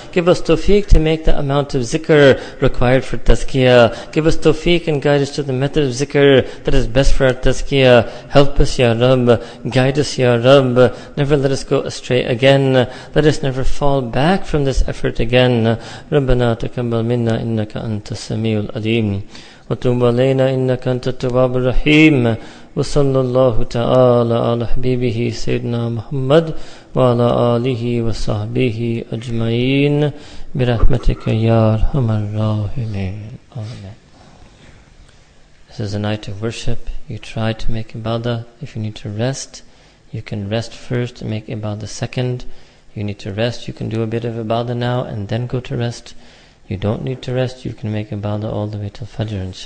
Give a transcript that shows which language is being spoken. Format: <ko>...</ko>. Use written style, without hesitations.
<en>Give us tawfiq to make the amount of zikr required for tazkiyah. Give us tawfiq and guide us to the method of zikr that is best for our tazkiyah. Help us, Ya Rab. Guide us, Ya Rab. Never let us go astray again. Let us never fall back from this effort again.</en> <ar>Rabbana taqabbal minna innaka antas samiul adim. وتوب علينا إنك أنت التواب الرحيم وصلى الله تعالى على حبيبه سيدنا محمد وعلى آله وصحبه أجمعين برحمتك يا أرحم الراحمين آمين.</ar> <en>This is a night of worship. You try to make ibadah. If you need to rest, you can rest first and make ibadah second. You need to rest, you can do a bit of ibadah now and then go to rest. You don't need to rest, you can make ibadah all the way till Fajr, inshallah.</en>